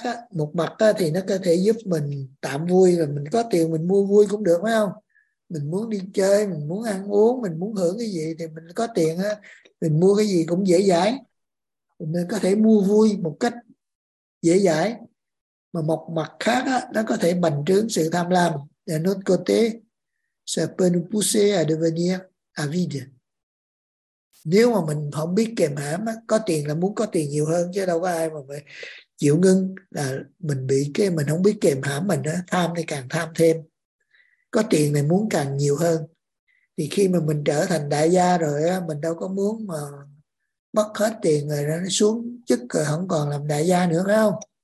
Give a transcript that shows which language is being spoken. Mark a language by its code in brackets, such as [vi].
[vi] Một mặt thì nó có thể giúp mình tạm vui, là mình có tiền mình mua vui cũng được, phải không? Mình muốn đi chơi, mình muốn ăn uống, mình muốn hưởng cái gì thì mình có tiền á, mình mua cái gì cũng dễ dãi, mình có thể mua vui một cách dễ dãi. Mà một mặt khác á, nó có thể bành trướng sự tham lam. [fr] De notre côté, ça peut nous pousser à devenir avide. [vi] Nếu mà mình không biết kềm hãm, có tiền là muốn có tiền nhiều hơn, chứ đâu có ai mà phải chịu ngưng, là mình bị cái mình không biết kềm hãm mình á, tham thì càng tham thêm. Có tiền này muốn càng nhiều hơn. Thì khi mà mình trở thành đại gia rồi á, mình đâu có muốn mà mất hết tiền rồi nó xuống chức rồi không còn làm đại gia nữa, phải không?